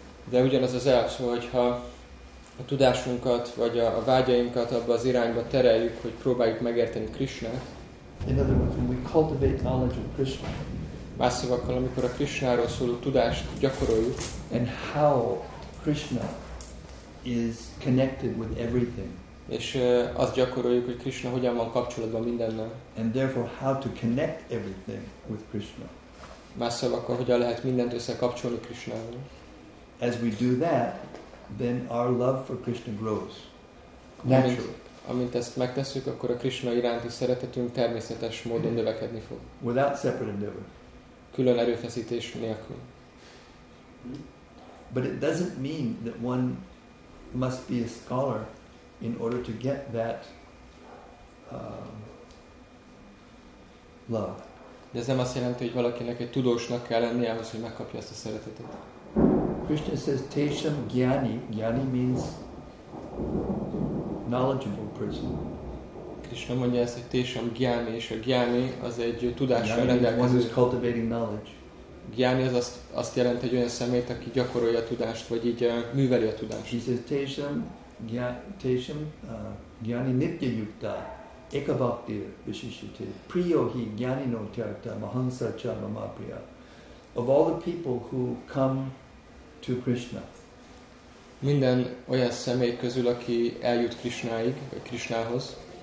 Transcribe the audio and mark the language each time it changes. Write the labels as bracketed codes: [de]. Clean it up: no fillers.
[hu] De ugyanaz az elv, szóval, hogyha a tudásunkat vagy a vágyainkat abba az irányba tereljük, hogy próbáljuk megérteni Krishnát. [en] In other words, when we cultivate knowledge of Krishna. [hu] Más szavakkal, amikor a Krishnáról szóló tudást gyakoroljuk, [en] and how Krishna is connected with everything. [hu] És azt gyakoroljuk, hogy Krishna hogyan van kapcsolatban mindennel. [en] And therefore how to connect everything with Krishna. [hu] Más szóval akkor hogyan lehet mindent összekapcsolni Krishnával. [en] As we do that, then our love for Krishna grows. Naturally. [hu] Amint ezt megtesszük, akkor a Krishna iránti szeretetünk természetes módon növekedni fog. [en] Without separate endeavor. [hu] Külön erőfeszítés nélkül. [en] But it doesn't mean that one must be a scholar in order to get that love. [hu] De ez nem azt jelenti, hogy valakinek egy tudósnak kell lennie ahhoz, hogy megkapja ezt a szeretetet. [en] Krishna says, [sa] "Tesham gyani." [en] Gyani means knowledgeable person. [hu] Krishna mondja ezt, hogy [sa] tesham gyani, [hu] és a gyani az egy tudással rendelkező. [en] One who is cultivating knowledge. [hu] Gyani az azt jelenti, hogy olyan személyt, aki gyakorolja a tudást, vagy így műveli a tudást. [en] He says, [sa] "Tesham gyani nitya yukta." Ekabhakti visishite priyo hi gyanino tyakta mahansa cha mama priya. [en] Of all the people who come to Krishna, [hu] minden olyan személy közül, aki eljut Krishnáig, vagy Krishnához,